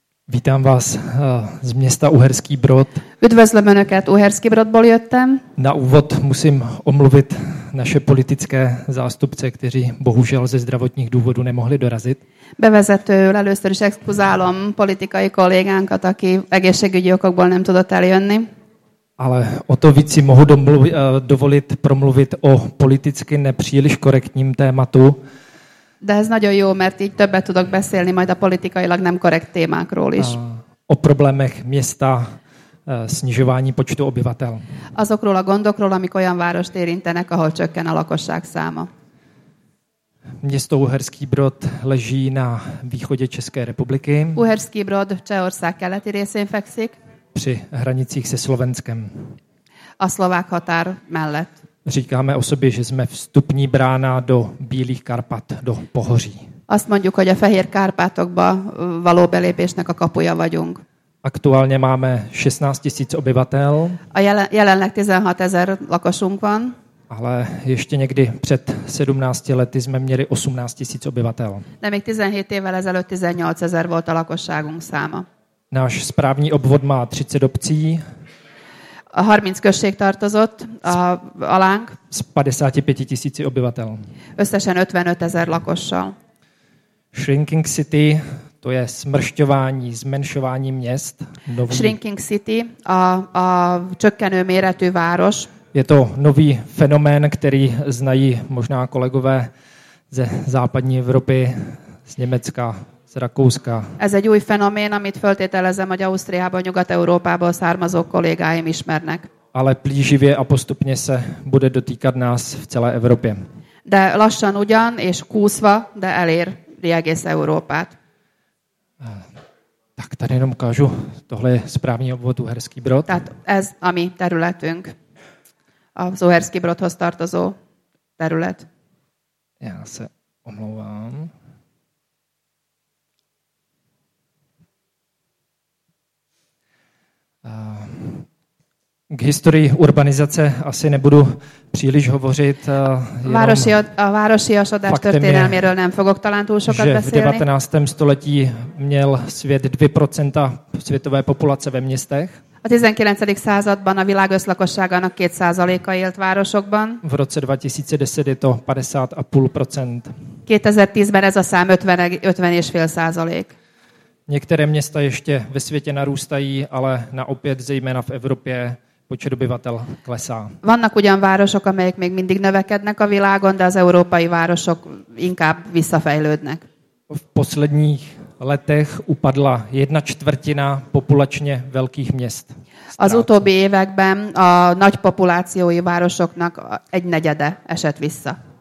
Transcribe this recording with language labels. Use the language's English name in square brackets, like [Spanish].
[Czech] Vítám vás z města Uherský Brod. [Hungarian] Üdvözlöm Önöket, Uherský Brodból jöttem. [Czech] Na úvod musím omluvit naše politické zástupce, kteří bohužel ze zdravotních důvodů nemohli dorazit. [Hungarian] Bevezetőül először is exkluzálom politikai kollégánkat, aki egészségügyi okokból nem tudott eljönni. [Czech] Ale o to víc si mohu dovolit promluvit o politicky nepříliš korektním tématu. [Hungarian] De ez nagyon jó, mert így többet tudok beszélni majd a politikailag nem korrekt témákról is. [Czech] O problémech města, snižování počtu obyvatel. [Hungarian] Azokról a gondokról, amik olyan várost érintenek, ahol csökken a lakosság száma. [Czech] Město Uherský Brod leží na východě České republiky. [Hungarian] Uherský Brod Csehország keleti részén fekszik. [Czech] Při hranicích se Slovenskem. [Hungarian] A szlovák határ mellett. [Czech] Říkáme o sobě, že jsme vstupní brána do Bílých Karpat, do Pohoří. [Hungarian] Azt mondjuk, hogy a Fehér Kárpátokba való belépésnek a kapuja vagyunk. [Czech] Aktuálně máme 16 000 obyvatel. [Hungarian] A jelenleg 16 000 lakosunk van. [Czech] Ale ještě někdy před 17 lety jsme měli 18 000 obyvatel. [Hungarian] De még 17 évvel ezelőtt 18 000 volt a lakosságunk száma. [Czech] Náš správní obvod má 30 obcí. [Hungarian] 30 község tartozott alánk. [Czech] Z 55 tisíc obyvatel. [Hungarian] Összesen 55 ezer lakossal. [English] Shrinking city, [Czech] to je smršťování, zmenšování měst. Nový. [English] Shrinking city, [Hungarian] a csökkenő méretű város. [Czech] Je to nový fenomén, který znají možná kolegové ze západní Evropy, z Německa, z Rakouska. [Hungarian] Ez egy új fenomén, amit feltételezem, hogy Ausztriában, Nyugat-Európából származó kollégáim ismernek. [Czech] Ale plíživě a postupně se bude dotýkat nás v celé Evropě. [Hungarian] De lassan ugyan és kúszva, de elér egész Európát. [Czech] Tak tady jenom ukážu, tohle je správní obvod Uherský Brod. [Hungarian] Tehát ez a mi területünk, az Uherský Brodhoz tartozó terület. [Czech] Já se omlouvám. K historii urbanizace asi nebudu příliš hovořit. [Hungarian] Városi osadás történelméről nem fogok talán túl sokat beszélni. [Czech] V 19. století měl svět 2% světové populace ve městech. [Hungarian] A 19. században a világ összlakosságának 2%-a élt városokban. [Czech] V roce 2010 je to 50,5%. [Hungarian] 2010-ben ez a szám 50,5%. [Czech] Některé města ještě ve světě narůstají, ale naopět zejména v Evropě počet obyvatel klesá. [Hungarian] Vannak ugyan városok, amelyek még mindig növekednek a világon, de az európai városok inkább visszafejlődnek. [Czech] V posledních letech upadla 1/4 populačně velkých měst. Ztrácu. [Hungarian] Az utóbbi években a nagy populációi városoknak 1/4 esett vissza.